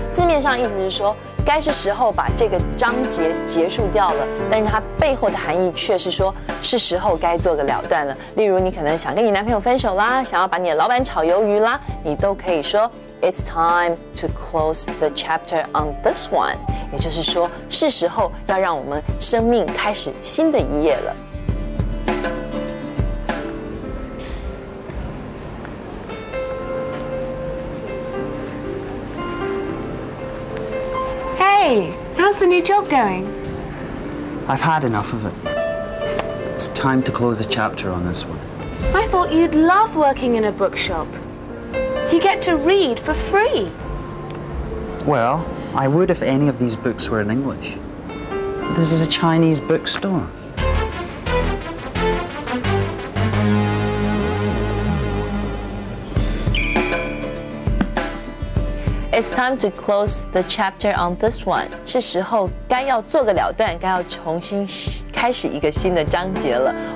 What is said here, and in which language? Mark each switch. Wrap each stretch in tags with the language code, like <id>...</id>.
<zh>字面上意思是说，该是时候把这个章节结束掉了。但是它背后的含义却是说，是时候该做个了断了。例如，你可能想跟你男朋友分手啦，想要把你的老板炒鱿鱼啦，你都可以说。</zh> <en>It's time to close the chapter on this one.</en> <zh>也就是说，是时候要让我们生命开始新的一页了。</zh> <en>Hey, how's the new job going? I've had enough of it. It's time to close the chapter on this one. I thought you'd love working in a bookshop. You get to read for free. Well, I would if any of these books were in English. This is a Chinese bookstore. It's time to close the chapter on this one.</en> <zh>是时候该要做个了断，该要重新开始一个新的章节了。</zh>